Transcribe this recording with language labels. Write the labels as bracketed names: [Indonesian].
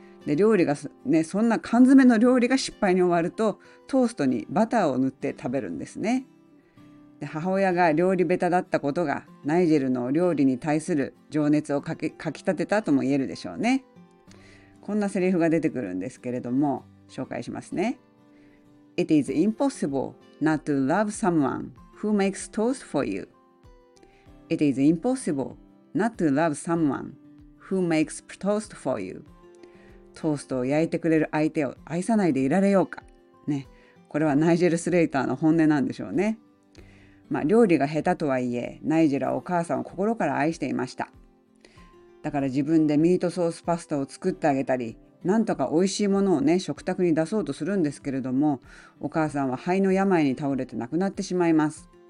[Japanese] で、料理がね、そんな缶詰の料理が失敗に終わると、トーストにバターを塗って食べるんですね。で、母親が料理下手だったことがナイジェルの料理に対する情熱をかきたてたとも言えるでしょうね。こんなセリフが出てくるんですけれども、紹介しますね。 [English] It is impossible not to love someone who makes toast for you. It is impossible not to love someone who makes toast for you. [Japanese] トーストを焼いてくれる相手を愛さないでいられようか。ね、これはナイジェル・スレイターの本音なんでしょうね。まあ、料理が下手とはいえ、ナイジェルはお母さんを心から愛していました。だから自分でミートソースパスタを作ってあげたり、なんとか美味しいものをね、食卓に出そうとするんですけれども、お母さんは肺の病に倒れて亡くなってしまいます。